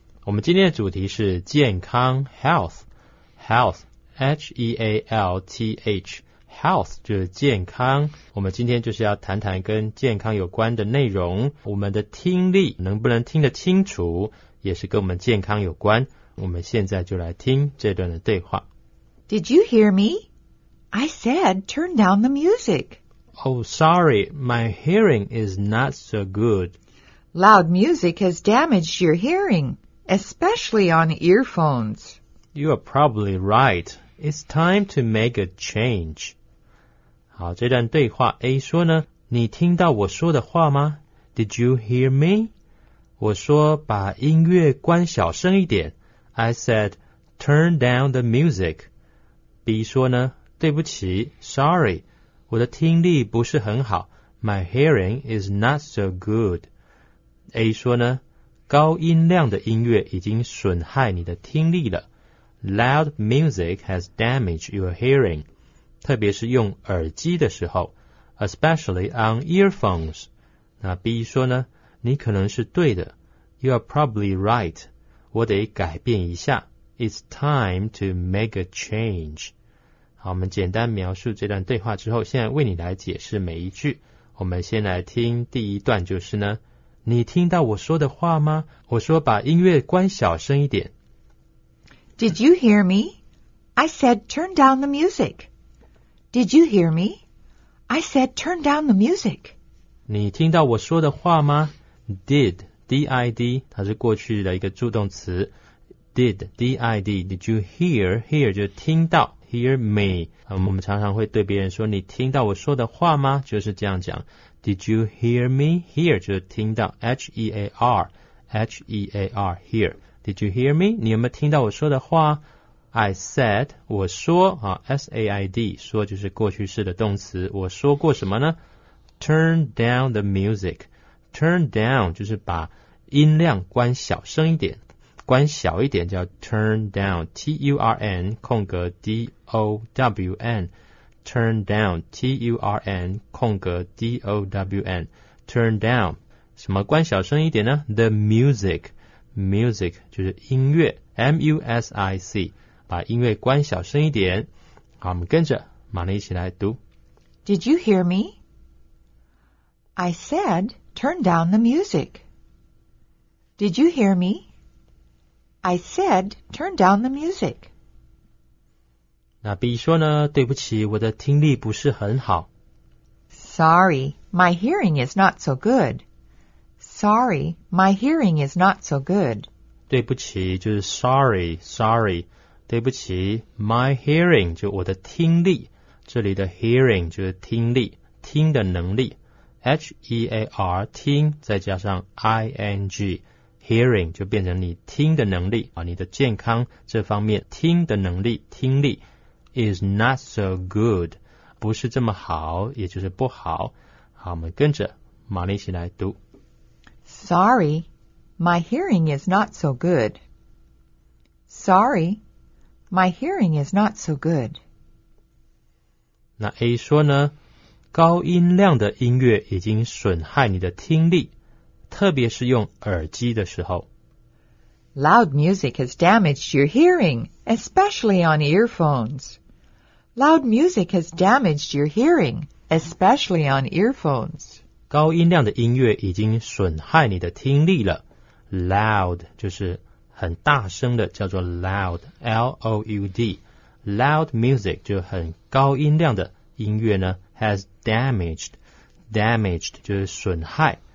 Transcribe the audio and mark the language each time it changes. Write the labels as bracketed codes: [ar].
[zh] 我们今天的主题是健康 ,health. Health, H-E-A-L-T-H. Health 就是健康。我们今天就是要谈谈跟健康有关的内容。我们的听力能不能听得清楚，也是跟我们健康有关。我们现在就来听这段的对话。 [en] Did you hear me? I said, turn down the music. Oh, sorry, my hearing is not so good. Loud music has damaged your hearing, especially on earphones. You are probably right. It's time to make a change. [zh] 好，这段对话 A 说呢，你听到我说的话吗？ [en] Did you hear me? [zh] 我说把音乐关小声一点。 [en] I said, turn down the music. [zh] B 说呢，对不起 [en] ,sorry, [zh] 我的听力不是很好 [en] ,my hearing is not so good. [zh] A 说呢，高音量的音乐已经损害你的听力了 , [en] loud music has damaged your hearing, [zh] 特别是用耳机的时候 , [en] especially on earphones. [zh] 那 B 说呢，你可能是对的 , [en] you are probably right, [zh] 我得改变一下。 [en] It's time to make a change. [zh] 好，我们简单描述这段对话之后，现在为你来解释每一句。我们先来听第一段，就是呢，你听到我说的话吗？我说把音乐关小声一点。 [en] Did you hear me? I said turn down the music. Did you hear me? I said turn down the music. [zh] 你听到我说的话吗？ Did, D-I-D, 它是过去的一个助动词。 Did, D-I-D, did you hear, hear 就是听到 hear me、我们常常会对别人说你听到我说的话吗就是这样讲 [en] Did you hear me, [zh] hear 就是听到 H-E-A-R, H-E-A-R, hear Did you hear me, 你有没有听到我说的话 [en] I said, [zh] 我说、S-A-I-D, 说就是过去式的动词我说过什么呢 [en] Turn down the music [zh] Turn down 就是把音量关小声一点关小一点叫 turn down, T-U-R-N, 空格 D-O-W-N, turn down, T-U-R-N, 空格 D-O-W-N, turn down, 什么关小声一点呢 ?The music, music, 就是音乐 ,M-U-S-I-C, 把音乐关小声一点。好我们跟着马丽一起来读。 [en] Did you hear me? I said, turn down the music. Did you hear me? I said, turn down the music. [zh] 那 B 说呢，对不起，我的听力不是很好。 [en] Sorry, my hearing is not so good. Sorry, my hearing is not so good. [zh] 对不起，就是 sorry, sorry. 对不起 ,my hearing, 就我的听力。这里的 hearing, 就是听力，听的能力。 H-E-A-R, 听，再加上 I-N-G. Hearing 就变成你听的能力、你的健康这方面听的能力听力 [en] is not so good [zh] 不是这么好也就是不好好我们跟着玛丽一起来读 [en] Sorry, my hearing is not so good Sorry, my hearing is not so good [zh] 那 A 说呢高音量的音乐已经损害你的听力特别是用耳机的时候 [en] Loud music has damaged your hearing, especially on earphones. Loud music has damaged your hearing, especially on earphones. [zh] 高音量的音乐已经损害你的听力了。 Loud 就是很大声的叫做 loud, L-O-U-D. Loud music 就很高音量的音乐呢 has damaged, damaged 就是损害。